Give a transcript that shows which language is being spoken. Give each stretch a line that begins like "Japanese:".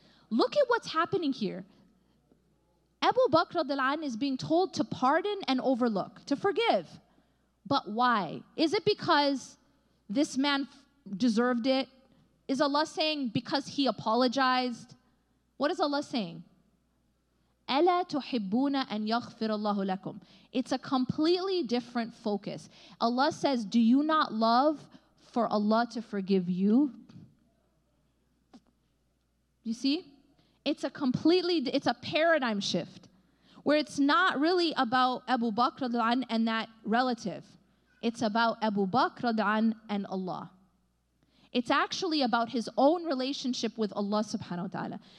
English: Look at what's happening here. Abu Bakr al-Anbar is being told to pardon and overlook, to forgive. But why? Is it because this man deserved it? Is Allah saying because he apologized? What is Allah saying?
Arabic: أَلَا تُحِبُّونَ أَنْ يَغْفِرَ اللَّهُ لَكُمْ
English: It's a completely different focus. Allah says, do you not love for Allah to forgive you? You see? It's a completely, it's a paradigm shift where it's not really about Abu Bakr and that relative. It's about Abu Bakr and Allah. It's actually about his own relationship with Allah subhanahu wa ta'ala.